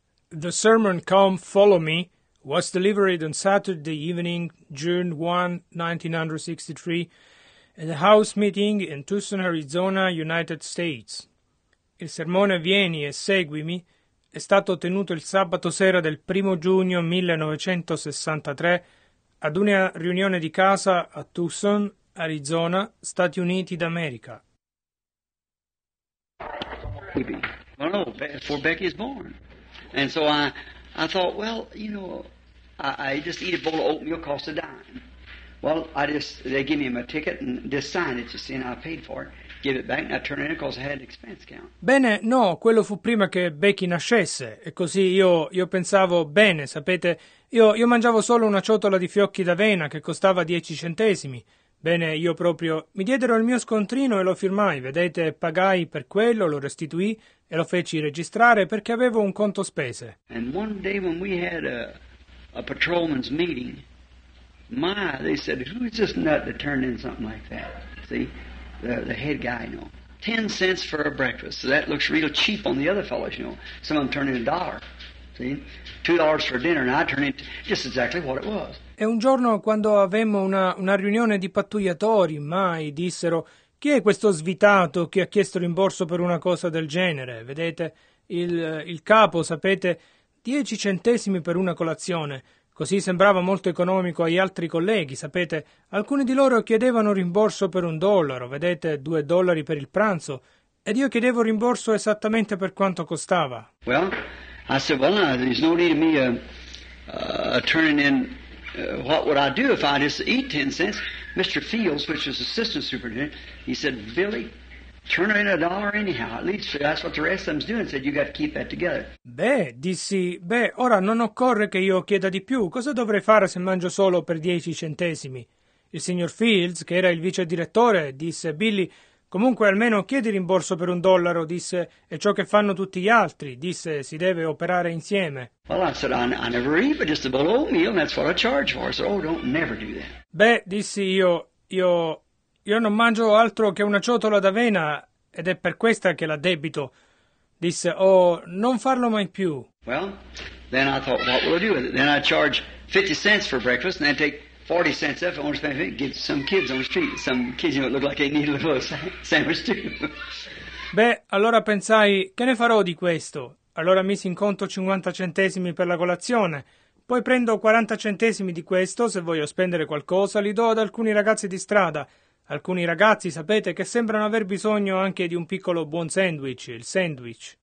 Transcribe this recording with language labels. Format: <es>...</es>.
<en>The sermon "Come Follow Me" was delivered on Saturday evening, June 1, 1963, at a house meeting in Tucson, Arizona, United States.</en> <it>Il sermone "Vieni e seguimi" è stato tenuto il sabato sera del 1 giugno 1963 ad una riunione di casa a Tucson, Arizona, Stati Uniti d'America.</it> <en>Well, no, before Becky's born. And so I thought, well, you know, I just eat a bowl of oatmeal, cost a dime. Well, they give me my ticket and just sign it, you see, and I paid for it. Give it back and I turn it in because I had an expense account.</en> <it>Bene, no, quello fu prima che Becky nascesse. E così io pensavo, bene, sapete, io mangiavo solo una ciotola di fiocchi d'avena che costava 10 centesimi. Bene, io proprio mi diedero il mio scontrino e lo firmai, vedete, pagai per quello, lo restituì e lo feci registrare perché avevo un conto spese.</it> <en>And one day when we had a patrolman's meeting, my, they said, who's this nut to turn in something like that? See, the head guy, you know. 10 cents for a breakfast, so that looks real cheap on the other fellows, you know. Some of them turn in a dollar, see. $2 for dinner and I turn in just exactly what it was.</en> <it>E un giorno, quando avemmo una riunione di pattugliatori, mai dissero, chi è questo svitato che ha chiesto rimborso per una cosa del genere? Vedete, il capo, sapete, 10 centesimi per una colazione. Così sembrava molto economico agli altri colleghi, sapete. Alcuni di loro chiedevano rimborso per $1, vedete, $2 per il pranzo. Ed io chiedevo rimborso esattamente per quanto costava.</it> <en>Well, I said, well, no, there's no need of me turning in... what would I do if I just eat 10 cents? Mr. Fields, which is assistant superintendent, he said, Billy, turn in a dollar anyhow. At least that's what the rest of them's doing. Said you got to keep that together.</en> <it>Beh, dissi, beh, ora non occorre che io chieda di più. Cosa dovrei fare se mangio solo per 10 centesimi? Il signor Fields, che era il vice direttore, disse, Billy, comunque almeno chiedi rimborso per $1. Disse, è ciò che fanno tutti gli altri. Disse, si deve operare insieme.</it> <en>Well, I said, I never eat, but just a bowl of oatmeal, and that's what I charge for. So, oh, don't never do that.</en> <it>Beh, dissi, io non mangio altro che una ciotola d'avena, ed è per questa che la debito. Disse, oh, non farlo mai più.</it> <en>Well, then I thought, what will I do with it? Then I charge 50 cents for breakfast, and then take 40 cents off, and get some kids on the street, some kids that look like they need a little sandwich too.</en> <it>Beh, allora pensai, che ne farò di questo? Allora misi in conto 50 centesimi per la colazione. Poi prendo 40 centesimi di questo, se voglio spendere qualcosa, li do ad alcuni ragazzi di strada. Alcuni ragazzi, sapete, che sembrano aver bisogno anche di un piccolo buon sandwich, il sandwich.</it>